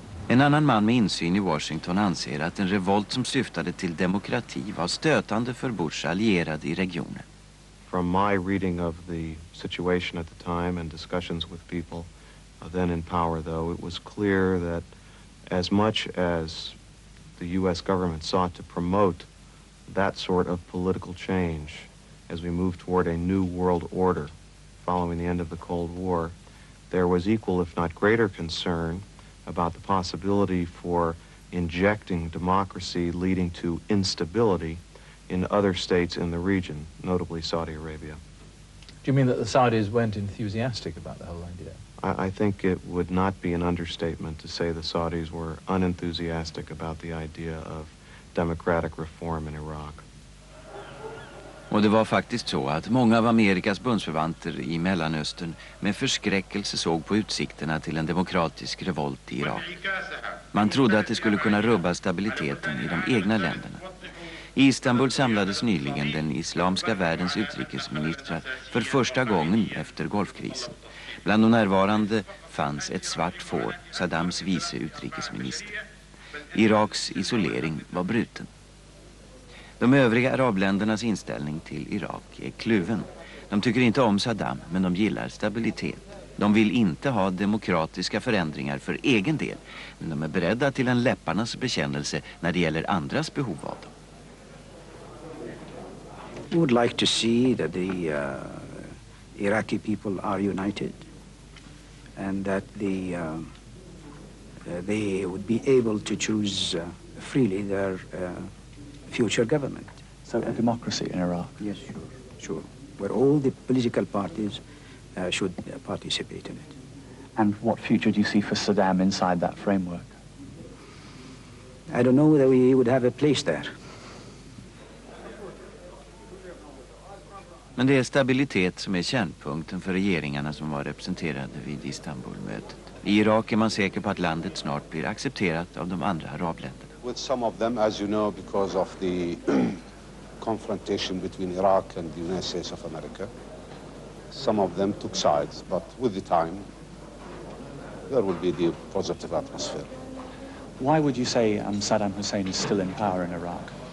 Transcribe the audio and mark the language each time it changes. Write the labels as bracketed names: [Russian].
[Swedish] En annan man med insyn i Washington anser att en revolt som syftade till demokrati var stötande för Bush allierade i regionen. [English] From my reading of the situation at the time and discussions with people then in power, though, it was clear that as much as the U.S. government sought to promote that sort of political change as we moved toward a new world order following the end of the Cold War, there was equal, if not greater, concern about the possibility for injecting democracy leading to instability in other states in the region, notably Saudi Arabia. Do you mean that the Saudis weren't enthusiastic about the whole idea? I think it would not be an understatement to say the Saudis were unenthusiastic about the idea of democratic reform in Iraq. [Swedish] Och det var faktiskt så att många av Amerikas bundsförvanter i Mellanöstern med förskräckelse såg på utsikterna till en demokratisk revolt i Irak. Man trodde att det skulle kunna rubba stabiliteten i de egna länderna. I Istanbul samlades nyligen den islamska världens utrikesministrar för första gången efter Golfkrisen. Bland de närvarande fanns ett svart får, Saddams vice utrikesminister. Iraks isolering var bruten. De övriga arabländernas inställning till Irak är kluven. De tycker inte om Saddam, men de gillar stabilitet. De vill inte ha demokratiska förändringar för egen del, men de är beredda till en läpparnas bekännelse när det gäller andras behov av dem. [English] I would like to see that the Iraqi people are united and that the they would be able to choose freely their future government. So a democracy in Iraq? Yes, sure. Where all the political parties should participate in it. And what future do you see for Saddam inside that framework? I don't know whether he would have a place there. [Swedish] Men det är stabilitet som är kärnpunkten för regeringarna som var representerade vid Istanbulmötet. I Irak är man säker på att landet snart blir accepterat av de andra arabländerna. [English] With some of them, as you know, because of the confrontation between Iraq and the United States of America, some of them took sides, but with the time there will be the positive atmosphere. Why would you say Saddam Hussein is still in power in Iraq?